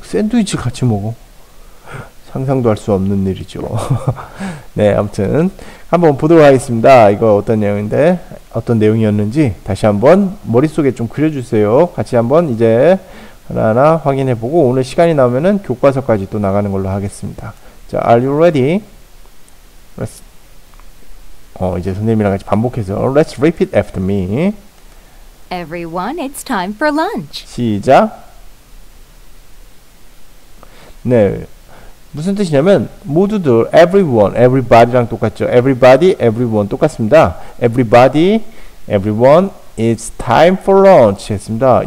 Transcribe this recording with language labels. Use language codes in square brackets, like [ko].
[ko] 샌드위치 같이 먹어? 상상도 할수 없는 일이죠. 네, 아무튼 한번 보도록 하겠습니다. 이거 어떤 내용인데, 어떤 내용이었는지 다시 한번 머릿속에 좀 그려주세요. 같이 한번 이제 하나하나 확인해보고 오늘 시간이 나오면은 교과서까지 또 나가는 걸로 하겠습니다. [en] 자, Are you ready? Let's [ko] 이제 선생님이랑 같이 반복해서 [en] Let's repeat after me. Everyone, it's time for lunch. [ko] 시작. 네, 무슨 뜻이냐면 모두들 everyone, everybody랑 똑같죠. [en] Everybody, everyone [ko] 똑같습니다. Everybody, everyone, [en] It's time for lunch [ko] 했습니다.